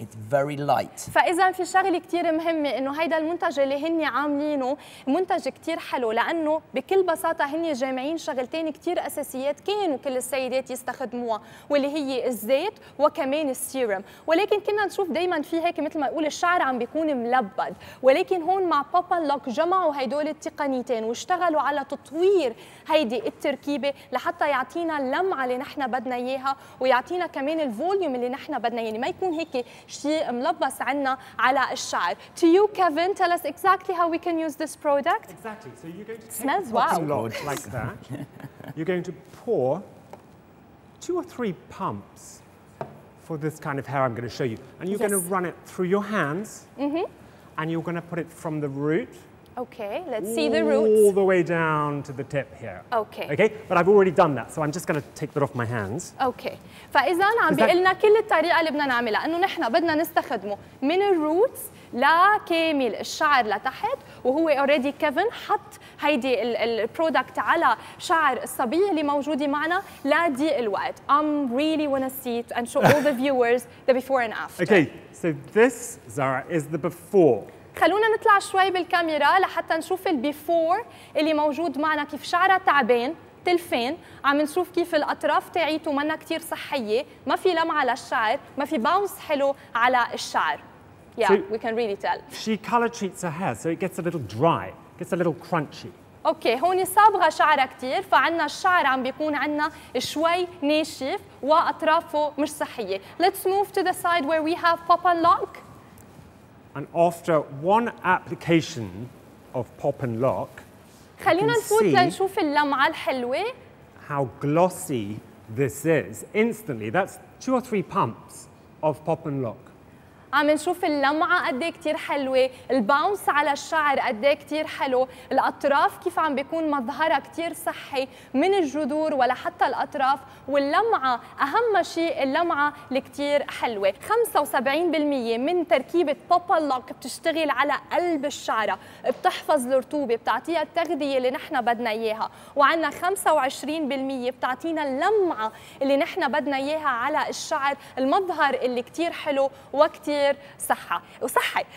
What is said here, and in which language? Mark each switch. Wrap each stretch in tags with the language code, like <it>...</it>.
<en>It's very light.</en> <ar>فإذا في شغلة كتير مهمة إنه هيدا المنتج اللي هني عاملينه منتج كتير حلو، لأنه بكل بساطة هني جامعين شغلتين كتير أساسيات كانوا كل السيدات يستخدموها، واللي هي الزيت وكمان السيروم. ولكن كنا نشوف دايما في هيك مثل ما يقول الشعر عم بيكون ملبد، ولكن هون مع بابا لوك جمعوا هيدول التقنيتين واشتغلوا على تطوير هيدي التركيبة لحتى يعطينا اللمعة اللي نحن بدنا إياها، ويعطينا كمان الفوليوم اللي نحن بدنا، يعني ما يكون هيك شيء ملبس عنا على الشعر.</ar> <en>To you, Kevin, tell us exactly how we can use this product. Exactly. So you're going to take smells wow. Lot like that. You're going to pour two or three pumps for this kind of hair I'm going to show you. And you're yes. going to run it through your hands. Mm-hmm. And you're going to put it from the root. Okay, let's see the roots. All the way down to the tip here. Okay. Okay, but I've already done that, so I'm just going to take that off my hands. Okay.</en> <ar>فإذا عم بيقلنا كل الطريقة اللي بدنا نعملها، إنه نحن بدنا نستخدمه من الروتس لكامل الشعر لتحت، وهو already Kevin حط هيدي البرودكت على شعر الصبية اللي موجودة معنا لضيق الوقت.</ar> <en>I'm really want to see it and show all the viewers the before and after. Okay, so this, Zara, is the before.</en> <ar>خلونا نطلع شوي بالكاميرا لحتى نشوف البيفور اللي موجود معنا، كيف شعرها تعبان تلفين، عم نشوف كيف الأطراف تاعيته منا كتير صحية، ما في لمعة على الشعر، ما في باونس حلو على الشعر.</ar> <en>Yeah, so we can really tell. She color treats her hair, so it gets a little dry, gets a little crunchy.</en> <ar>اوكي، هون صابغة شعرها كتير، فعنا الشعر عم بيكون عنا شوي ناشف وأطرافه مش صحية.</ar> <en>Let's move to the side where we have pop and lock. And after one application of Pop and Lock,</en> <ar>خلينا نفوت لنشوف اللمعة الحلوة.</ar> <en>How glossy this is instantly. That's two or three pumps of Pop and Lock.</en> <ar>عم نشوف اللمعة قد ايه كثير حلوة، الباونس على الشعر قد ايه كثير حلو، الأطراف كيف عم بيكون مظهرها كثير صحي من الجذور ولحتى الأطراف، واللمعة أهم شيء اللمعة الكثير حلوة. 75% من تركيبة بابا لوك بتشتغل على قلب الشعرة، بتحفظ الرطوبة، بتعطيها التغذية اللي نحن بدنا إياها، وعندنا 25% بتعطينا اللمعة اللي نحن بدنا إياها على الشعر، المظهر اللي كثير حلو وكثير صحة وصحي.</ar>